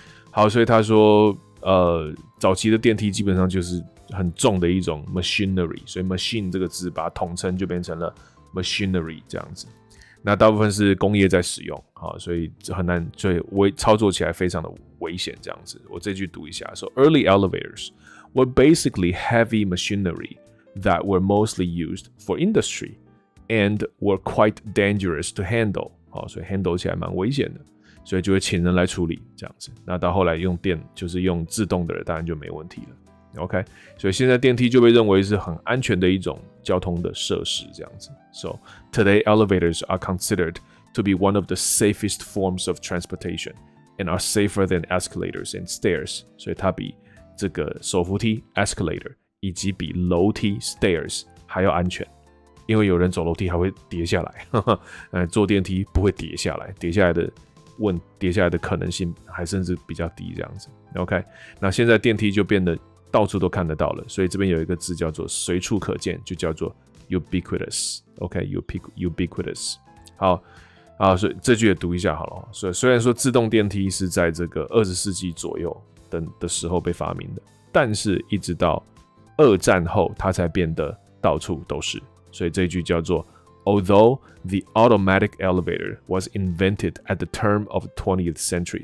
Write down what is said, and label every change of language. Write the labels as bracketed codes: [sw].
[zh] 好，所以他说，早期的电梯基本上就是很重的一种 machinery， 所以 machine 这个字把它统称就变成了 machinery 这样子。那大部分是工业在使用，好，所以很难，所以危操作起来非常的危险这样子。我这句读一下 [en] ，So early elevators were basically heavy machinery。 That were mostly used for industry, and were quite dangerous to handle. [zh] 好，所以 handle 起来蛮危险的，所以就会请人来处理这样子。那到后来用电，就是用自动的，当然就没问题了。 OK， 所以现在电梯就被认为是很安全的一种交通的设施这样子。 [en] So today elevators are considered to be one of the safest forms of transportation, and are safer than escalators and stairs. [zh] 所以它比这个手扶梯 escalator。以及比楼梯 stairs 还要安全，因为有人走楼梯还会跌下来，坐电梯不会跌下来，跌下来的可能性还甚至比较低这样子。 OK， 那现在电梯就变得到处都看得到了，所以这边有一个字叫做随处可见，就叫做 ubiquitous。 OK， ubiquitous。好啊，所以这句也读一下好了。所以虽然说自动电梯是在这个20世纪左右的时候被发明的，但是一直到二战后它才变得到处都是。所以这一句叫做 [en] Although the automatic elevator was invented at the turn of the 20th century.